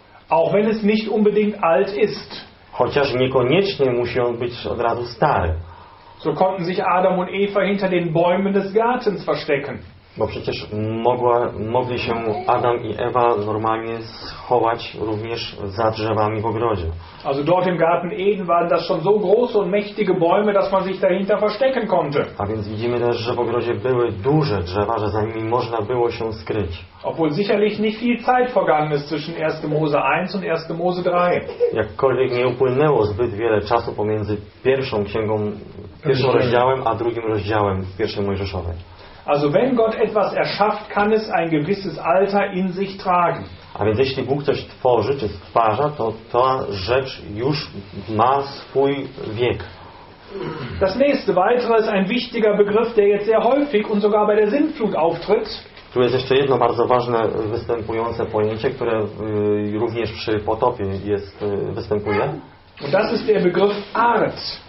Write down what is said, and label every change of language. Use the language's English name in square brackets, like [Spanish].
[German] Auch wenn es nicht unbedingt alt ist. [Polish] Chociaż niekoniecznie musi on być od razu stary. [German] So konnten sich Adam und Eva hinter den Bäumen des Gartens verstecken. [Polish] Bo przecież mogli się Adam i Ewa normalnie schować również za drzewami w ogrodzie. [German] Also dort im Garten Eden waren das schon so große und mächtige Bäume, dass man sich dahinter verstecken konnte. [Polish] A więc widzimy też, że w ogrodzie były duże drzewa, że za nimi można było się skryć. [German] Obwohl sicherlich nicht viel Zeit vergangen ist zwischen 1. Mose 1 und 1. Mose 3. [Polish] Jakkolwiek nie upłynęło zbyt wiele czasu pomiędzy pierwszą księgą, pierwszym rozdziałem, a drugim rozdziałem w pierwszej Mojżeszowej. [German] Also wenn Gott etwas erschafft, kann es ein gewisses Alter in sich tragen. [Polish] A więc jeśli Bóg coś tworzy czy stwarza, to ta rzecz już ma swój wiek. [German] Das nächste weitere ist ein wichtiger Begriff, der jetzt sehr häufig und sogar bei der Sintflut auftritt. [Polish] Tu jest jeszcze jedno bardzo ważne występujące pojęcie, które również przy potopie jest występuje. [German] Und das ist der Begriff Art.